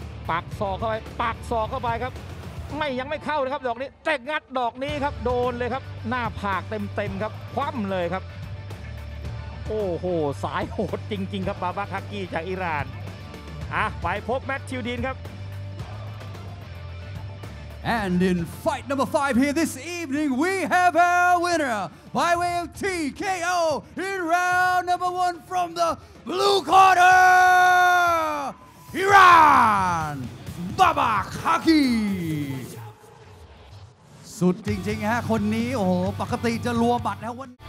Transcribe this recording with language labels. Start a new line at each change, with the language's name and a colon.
Thai: ปักศอกเข้าไปปักศอกเข้าไปครับไม่ยังไม่เข้านะครับดอกนี้แตกงัดดอกนี้ครับโดนเลยครับหน้าผากเต็มๆครับคว่ำเลยครับโอ้โหสายโหดจริงๆครับบาบักฮักกี้จากอิหร่านไปพบแมตช์ทิวดินครับ
English: And in fight number 5 here this evening, we have our winner by way of TKO in round number 1 from the blue corner, Iran, Babak Haki.
Thai: สุดจริงๆฮะคนนี้โอ้โหปกติจะรัวบัตรแล้ววัน